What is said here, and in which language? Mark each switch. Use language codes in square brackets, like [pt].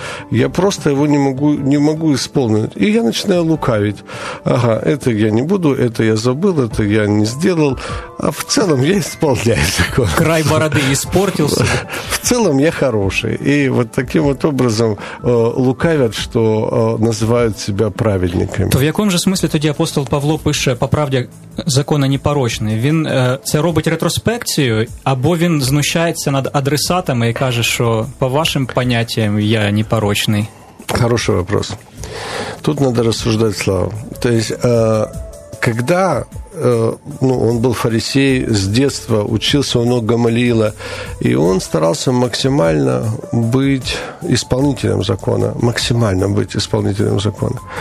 [ru] Я просто его не могу исполнить. И я начинаю лукавить. Ага, это я не буду, это я забыл, это я не сделал. А в целом я исполняю закон. Край бороды испортился. В целом я хороший. И вот таким вот образом лукавят, что называют себя праведниками. [uk] То в якому же смысле тоді апостол Павло пише, по правді закона непорочний? Він це робить ретроспекцію, або він знущається над адресатами і каже, що по вашим поняттям я непорочний? [ru] Хороший вопрос. Тут надо [uk] розсуждати славу. [ru] Тобто, когда ну, он был фарисей с детства, учился у ног Гамалиила, и он старался максимально быть исполнителем закона, максимально быть исполнителем закона.